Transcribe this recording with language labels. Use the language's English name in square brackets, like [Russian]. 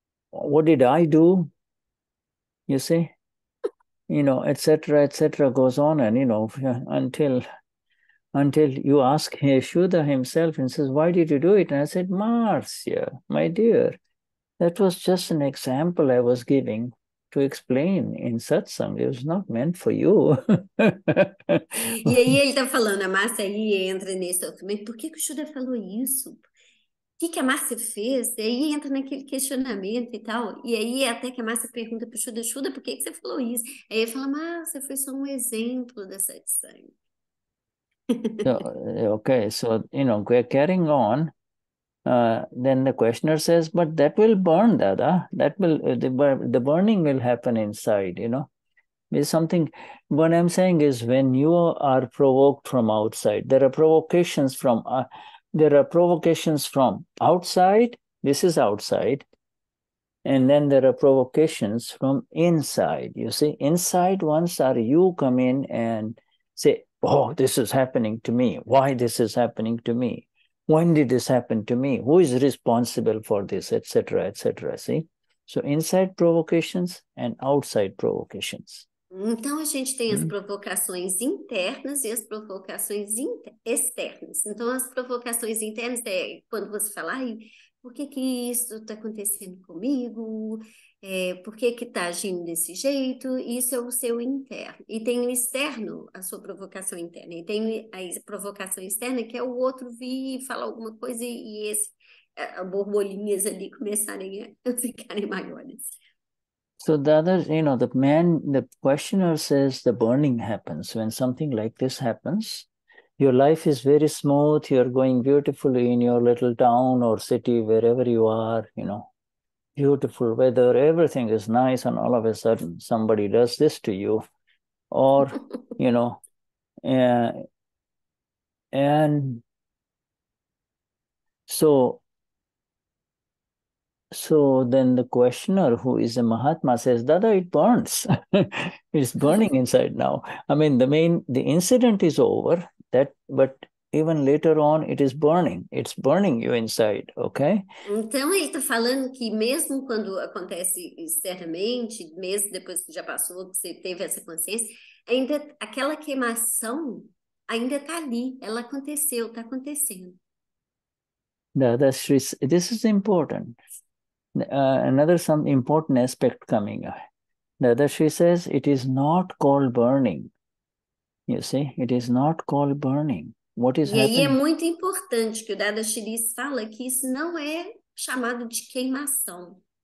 [English] What did I do? You see? You know, et cetera, goes on and, you know, until you ask Shuddha himself and says, why did you do it? And I said, Marcia, my dear, that was just an example I was giving to explain in satsang. It was not meant for you. [Portuguese] E aí ele tá falando, a Marcia aí entra nesse documento. Por que que o Shuddha falou isso? O que a Márcia fez? E aí entra naquele questionamento e tal. E aí até que a Márcia pergunta para o Shuddha, Shuddha, por que você falou isso? Aí ele fala, Márcia, foi só um exemplo dessa edição. [English] So, okay, so, you know, we're carrying on. Then the questioner says, but that will burn, Dada. That will, the burning will happen inside, you know. It's something, what I'm saying is when you are provoked from outside, there are provocations from... There are provocations from outside, this is outside, and then there are provocations from inside. You see, inside ones are you come in and say, oh, this is happening to me. Why this is happening to me? When did this happen to me? Who is responsible for this, etc., etc., see? So inside provocations and outside provocations. [Portuguese] Então, a gente tem as provocações internas e as provocações externas. Então, as provocações internas é quando você fala, Por que que isso está acontecendo comigo? Por que que está agindo desse jeito? Isso é o seu interno. E tem o externo, a sua provocação interna. E tem a provocação externa, que é o outro vir e falar alguma coisa e esse borbolinhas ali começarem a ficarem maiores. [English] So Dada, you know, the man, the questioner says the burning happens when something like this happens. Your life is very smooth, you're going beautifully in your little town or city, wherever you are, you know, beautiful weather, everything is nice, and all of a sudden somebody does this to you, or you know, and so then the questioner, who is a Mahatma, says, Dada, it burns. It's burning inside now. I mean, the incident is over, but even later on, it is burning. It's burning you inside, okay? [Portuguese] Então, ele está falando que mesmo quando acontece externamente, mesmo depois que já passou, que você teve essa consciência, ainda aquela queimação ainda está ali, ela aconteceu, está acontecendo. [English] This is important. Another some important aspect coming up. Dada Shri says it is not called burning. You see, it is not called burning. What is [Portuguese] E aí é [English] happening? [Portuguese] muito importante que o Dada Shiris fala que isso não é chamado de queimação.